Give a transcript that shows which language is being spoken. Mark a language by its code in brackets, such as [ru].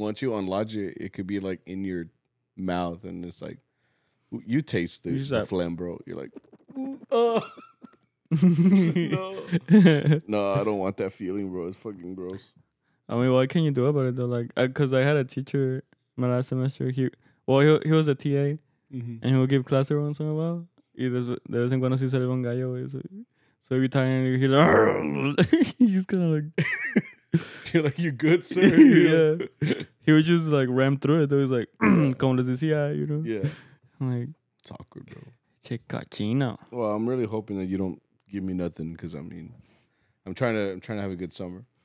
[en] Once you unlodge it, it could be, like, in your mouth and it's like, you taste the phlegm, bro. You're like, oh. No. No, I don't want that feeling, bro. It's fucking gross. I mean, what can you do about it, though? Like, because I had a teacher my last semester. He was a TA, and he would give class every once in a while. [es] Y de vez en cuando sí sale un gallo, güey. [en] So every time you hear, he's just kind of like, you're like, you're good, sir. Yeah. <know? laughs> He would just, like, ram through it. Though he's like, [es] como les decía, [en] you know? Yeah. I'm like, it's awkward, bro. [es] Che cochino. [en] Well, I'm really hoping that you don't give me nothing, because, I mean, I'm trying to have a good summer.